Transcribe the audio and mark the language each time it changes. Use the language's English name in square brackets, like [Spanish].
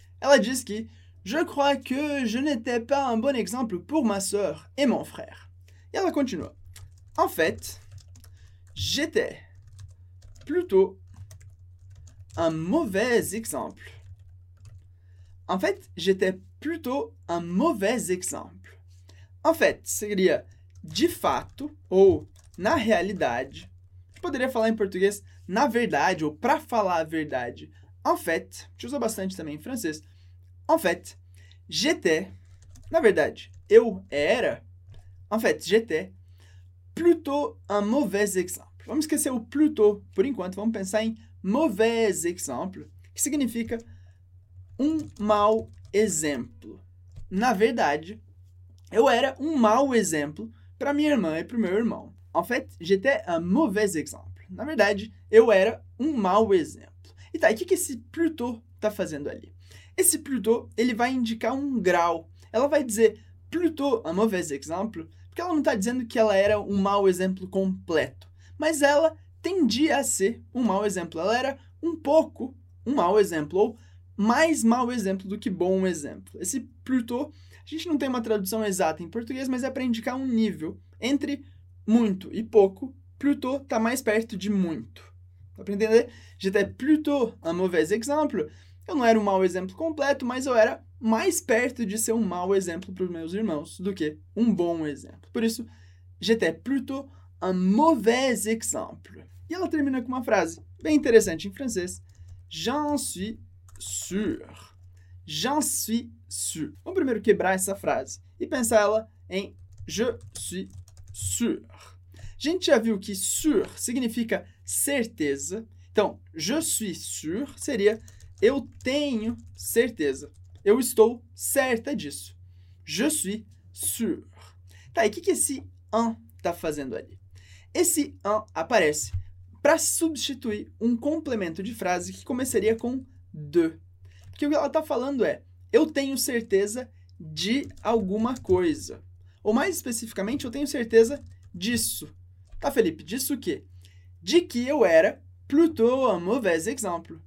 [Portuguese] Ela diz que [French] je crois que je n'étais pas un bon exemple pour ma sœur et mon frère. Et elle continue. En fait, j'étais plutôt un mauvais exemple. En fait, j'étais plutôt un mauvais exemple. En fait, [Portuguese] seria de fato ou na realidade. gente poderia falar em português na verdade ou pra falar a verdade. En fait, a gente usa bastante também em francês. [French] En fait, j'étais, [Portuguese] na verdade, eu era, [French] en fait, j'étais, plutôt un mauvais exemple. [Portuguese] Vamos esquecer o plutôt por enquanto, vamos pensar em [French] mauvais exemple, [Portuguese] que significa um mau exemplo. Na verdade, eu era um mau exemplo para minha irmã e para o meu irmão. [French] En fait, j'étais un mauvais exemple. [Portuguese] Na verdade, eu era um mau exemplo. E tá, e o que esse plutôt está fazendo ali? Esse plutôt, ele vai indicar um grau. Ela vai dizer [French] plutôt un mauvais exemple, [Portuguese] porque ela não está dizendo que ela era um mau exemplo completo. Mas ela tendia a ser um mau exemplo. Ela era um pouco um mau exemplo, ou mais mau exemplo do que bom exemplo. Esse plutôt, a gente não tem uma tradução exata em português, mas é para indicar um nível entre muito e pouco. Plutôt está mais perto de muito. Dá para entender? [French] J'étais plutôt un mauvais exemple. [Portuguese] Eu não era um mau exemplo completo, mas eu era mais perto de ser um mau exemplo para os meus irmãos do que um bom exemplo. Por isso, [French] j'étais plutôt un mauvais exemple. [Portuguese] E ela termina com uma frase bem interessante em francês. [French] J'en suis sûr. J'en suis sûr. [Portuguese] Vamos primeiro quebrar essa frase e pensar ela em [French] je suis sûr. [Portuguese] A gente já viu que sûr significa certeza. Então, [French] je suis sûr [Portuguese] seria eu tenho certeza. Eu estou certa disso. [French] Je suis sûr. [Portuguese] Tá, e o que esse un está fazendo ali? Esse un aparece para substituir um complemento de frase que começaria com de. Porque o que ela está falando é, eu tenho certeza de alguma coisa. Ou mais especificamente, eu tenho certeza disso. Tá, Felipe? Disso o quê? De que eu era [French] plutôt un mauvais exemple.